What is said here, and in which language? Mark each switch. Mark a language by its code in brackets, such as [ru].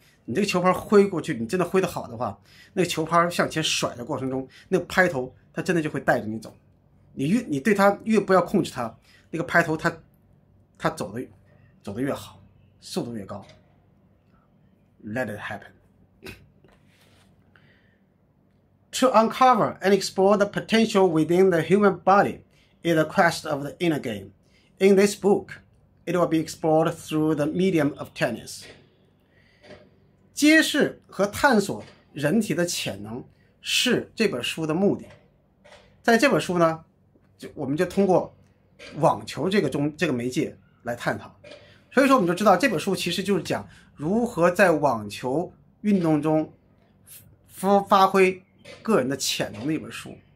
[zh] 你这个球拍挥过去，你真的挥得好的话，那个球拍向前甩的过程中，那个拍头它真的就会带着你走。你对它越不要控制它，那个拍头它走得越好，速度越高。 [en] Let it happen. To uncover and explore the potential within the human body is the quest of the inner game. In this book, it will be explored through the medium of tennis. [zh] 揭示和探索人体的潜能是这本书的目的。在这本书呢，我们就通过网球这个媒介来探讨。所以说我们就知道这本书其实就是讲如何在网球运动中发挥个人的潜能的一本书。